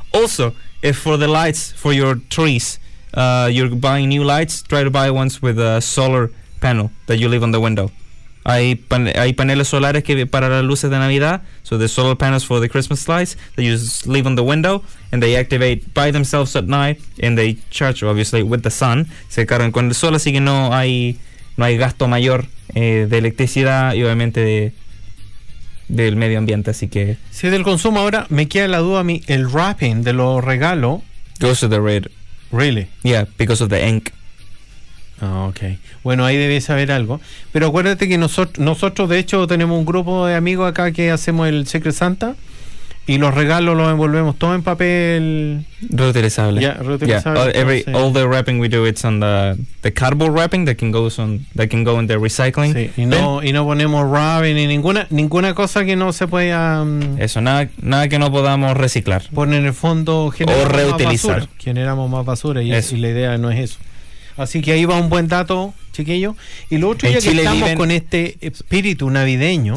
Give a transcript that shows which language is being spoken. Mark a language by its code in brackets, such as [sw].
[en] Also, if for the lights for your trees, you're buying new lights, try to buy ones with a solar panel that you leave on the window. [es] Hay paneles solares que para las luces de Navidad, [en] so the solar panels for the Christmas lights that you just leave on the window and they activate by themselves at night and they charge obviously with the sun. [es] Se cargan con el sol, así que no hay gasto mayor de electricidad y obviamente del medio ambiente, así que sí, del consumo. Ahora me queda la duda a mí, el wrapping de los regalos [en] goes to the red. Really? Yeah, because of the ink. [es] Ah, ok. Bueno, ahí debes saber algo. Pero acuérdate que nosotros de hecho tenemos un grupo de amigos acá que hacemos el Secret Santa. Y los regalos los envolvemos todo en papel reutilizable. Yeah, reutilizable. [en] Yeah. All the wrapping we do it's on the cardboard wrapping that can go in the recycling. [es] Sí. Y no ponemos wrapping ni ninguna cosa que no se pueda. Eso, nada que no podamos reciclar. Poner en el fondo generamos o reutilizar. Más basura. Generamos más basura y la idea no es eso. Así que ahí va un buen dato, chiquillo. Y lo otro, ya que estamos con este espíritu navideño.